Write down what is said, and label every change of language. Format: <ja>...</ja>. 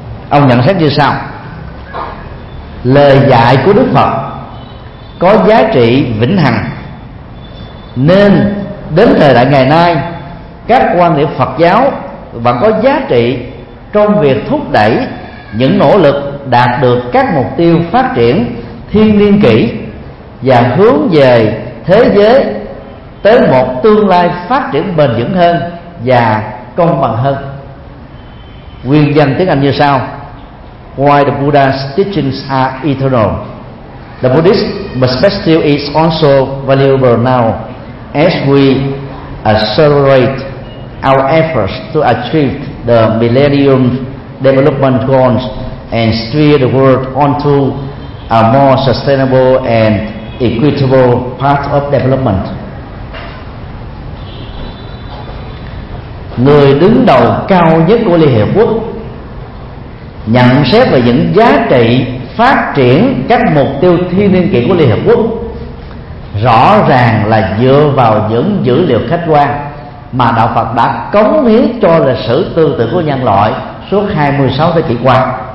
<vi>Ông nhận xét như sau: lời dạy của Đức Phật có giá trị vĩnh hằng, nên đến thời đại ngày nay, các quan niệm Phật giáo vẫn có giá trị trong việc thúc đẩy những nỗ lực đạt được các mục tiêu phát triển thiên niên kỷ và hướng về thế giới tới một tương lai phát triển bền vững hơn và công bằng hơn. Nguyên văn tiếng Anh như sau:</vi> <en>Why the Buddha's teachings are eternal, the Buddhist perspective is also valuable now as we accelerate our efforts to achieve the Millennium Development Goals and steer the world onto a more sustainable and equitable path of development.</en> <vi>Người đứng đầu cao nhất của Liên Hiệp Quốc nhận xét về những giá trị phát triển các mục tiêu thiên niên kỷ của Liên Hiệp Quốc rõ ràng là dựa vào những dữ liệu khách quan mà Đạo Phật đã cống hiến cho lịch sử tư tưởng của nhân loại suốt 26 thế kỷ qua.</vi>